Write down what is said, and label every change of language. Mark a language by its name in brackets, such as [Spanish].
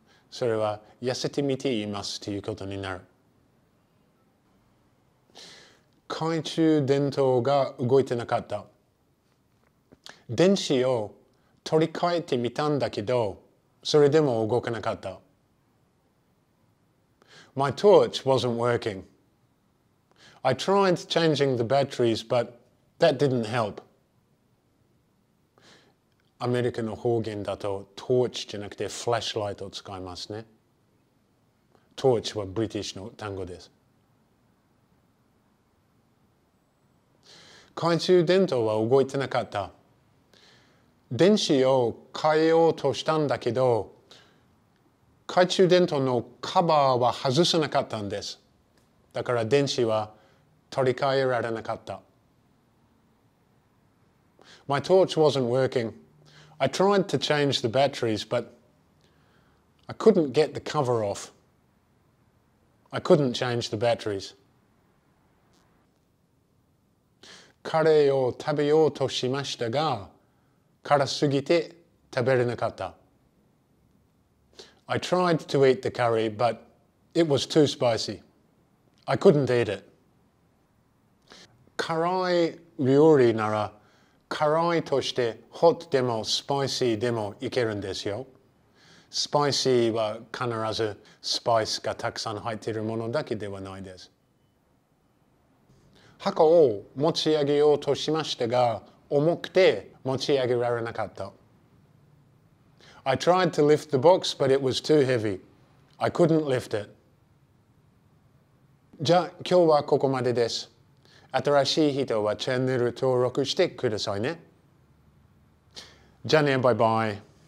[Japanese] それは痩せてみていますということになる。懐中電灯が動いてなかった。電池を取り替えてみたんだけど、それでも動かなかった。 [English] My torch wasn't working. I tried changing the batteries, but that didn't help. [Japanese] アメリカの方言だとトーチじゃなくてフラッシュライトを使いますね。トーチはブリティッシュの単語です。懐中電灯は動いてなかった。電池を変えようとしたんだけど、懐中電灯のカバーは外せなかったんです。だから電池は取り替えられなかった。 [English] My torch wasn't working. I tried to change the batteries, but I couldn't get the cover off. I couldn't change the batteries. [Japanese] カレーを食べようとしましたが、辛すぎて食べれなかった。 [English] I tried to eat the curry, but it was too spicy. I couldn't eat it. [Japanese] 辛い料理なら、辛いとして、ホットでもスパイシーでもいけるんですよ。スパイシーは必ずスパイスがたくさん入っているものだけではないです。箱を持ち上げようとしましたが、重くて持ち上げられなかった。 [English] I tried to lift the box, but it was too heavy. I couldn't lift it. [Japanese] じゃあ、今日はここまでです。新しい人はチャンネル登録してくださいね。じゃあね、バイバイ。